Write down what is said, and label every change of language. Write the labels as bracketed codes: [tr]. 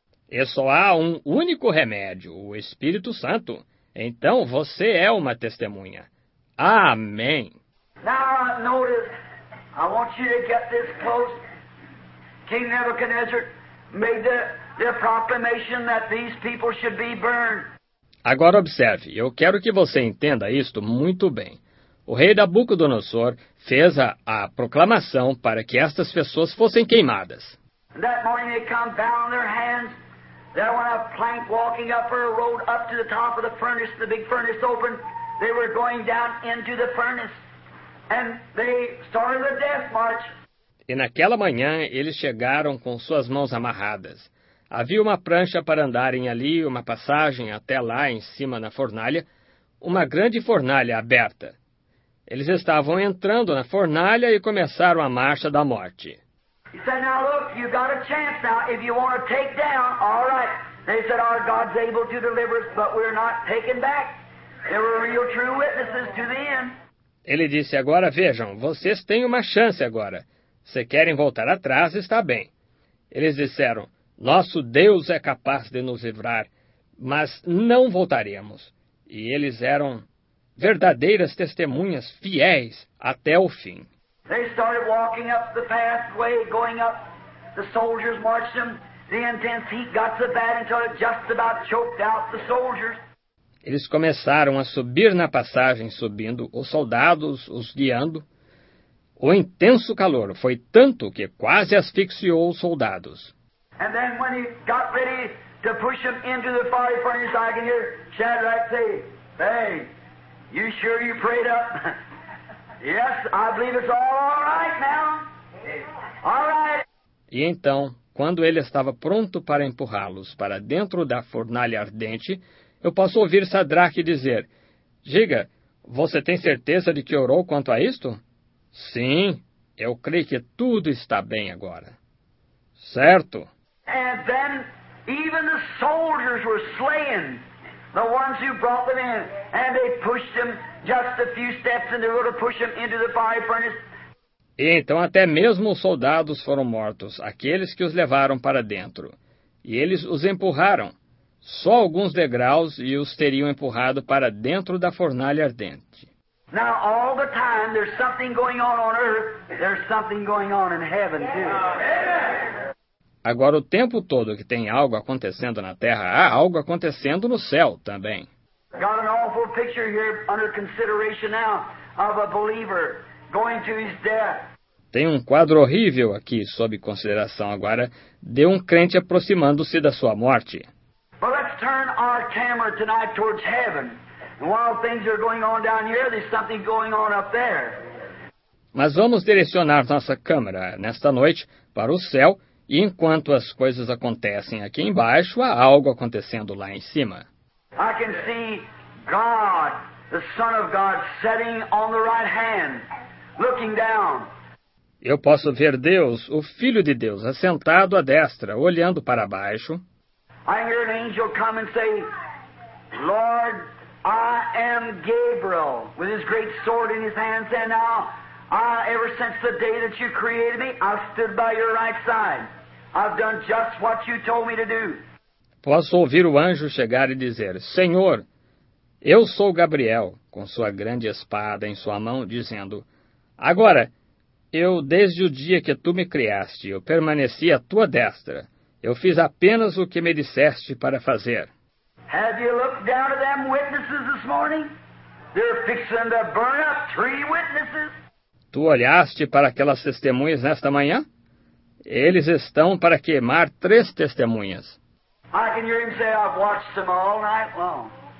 [pt] E só há um único remédio, o Espírito Santo. Então você é uma testemunha. Amém. [en] Now notice, I want you to get this close. King Nebuchadnezzar made the proclamation that these people should be burned. [pt] Agora observe, eu quero que você entenda isto muito bem. O rei Nabucodonosor fez a proclamação para que estas pessoas fossem queimadas. [en] That morning they come bound their hands. There went a plank walking up a road up to the top of the furnace. The big furnace opened. They were going down into the furnace. And they started the death march. [pt] E naquela manhã eles chegaram com suas mãos amarradas. Havia uma prancha para andarem ali, uma passagem até lá em cima na fornalha, uma grande fornalha aberta. Eles estavam entrando na fornalha e começaram a marcha da morte. [en] He said, now look, you've got a chance now. If you want to take down, all right. They said, our God's able to deliver us, but we're not taken back. There were real true witnesses to the end. [pt] Ele disse, agora vejam, vocês têm uma chance agora. Se querem voltar atrás, está bem. Eles disseram, nosso Deus é capaz de nos livrar, mas não voltaremos. E eles eram verdadeiras testemunhas fiéis até o fim. [en] They started walking up the pathway, going up. The soldiers watched them. The intense heat got so bad until it just about choked out the soldiers. [pt] Eles começaram a subir na passagem, subindo, os soldados os guiando. O intenso calor foi tanto que quase asfixiou os soldados. [en] And then when he got ready to push them into the fiery furnace, I can hear Shadrach say, hey, you sure you prayed up? Yes, I believe it's all right now. All right. [pt] E então, quando ele estava pronto para empurrá-los para dentro da fornalha ardente, eu posso ouvir Sadraque dizer, diga, você tem certeza de que orou quanto a isto? Sim, eu creio que tudo está bem agora. Certo? [en] And then even the soldiers were slain, the ones who brought them in, and they pushed them just a few steps and they were to push them into the fire furnace. [pt] E então até mesmo os soldados foram mortos, aqueles que os levaram para dentro. E eles os empurraram. Só alguns degraus e os teriam empurrado para dentro da fornalha ardente. [en] Now all the time there's something going on earth, there's something going on in heaven too. [pt] Agora o tempo todo que tem algo acontecendo na terra, há algo acontecendo no céu também. [en] Got an awful picture here under consideration now of a believer going to his death. [pt] Tem um quadro horrível aqui sob consideração agora de um crente aproximando-se da sua morte. [en] Well, let's turn our camera tonight towards heaven. And while things are going on down here, there's something going on up there. [pt] Mas vamos direcionar nossa câmera nesta noite para o céu, e enquanto as coisas acontecem aqui embaixo, há algo acontecendo lá em cima. [en] I can see God, the Son of God, sitting on the right hand, looking down. [pt] Eu posso ver Deus, o Filho de Deus, assentado à destra, olhando para baixo. [en] I hear an angel come and say, Lord, I am Gabriel, with his great sword in his hand, and now, ever since the day that you created me, I've stood by your right side. I've done just what you told me to do. [pt] Posso ouvir o anjo chegar e dizer, Senhor, eu sou Gabriel, com sua grande espada em sua mão, dizendo, agora, eu, desde o dia que tu me criaste, eu permaneci à tua destra. Eu fiz apenas o que me disseste para fazer. [en] Have you looked down at them witnesses this morning? They're fixing to burn up three witnesses. [pt] Tu olhaste para aquelas testemunhas nesta manhã? Eles estão para queimar três testemunhas. [en] I can hear him say, I've watched them all night long.